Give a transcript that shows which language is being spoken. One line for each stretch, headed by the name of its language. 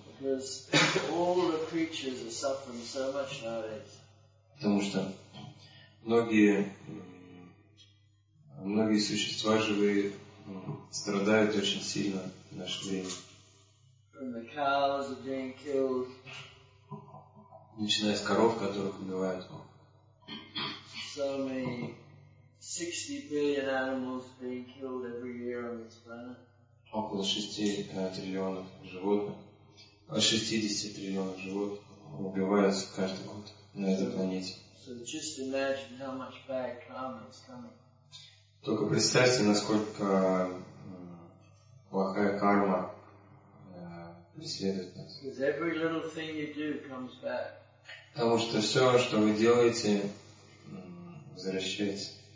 English: Because all the creatures are suffering so much nowadays.
Russian: Потому что многие существа живые страдают очень сильно в наше время.
English: From the cows are being killed.
Russian: Начиная с коров, которых убивают.
English: So many 60 billion animals being killed every year on this planet.
Russian: Около 6 триллионов животных. 60 триллионов животных убиваются каждый год на этой планете.
English: So just imagine how much bad karma is coming.
Russian: Только представьте, насколько плохая карма преследует нас.
English: Because every little thing you do comes back.
Russian: Потому что все, что вы делаете, возвращается.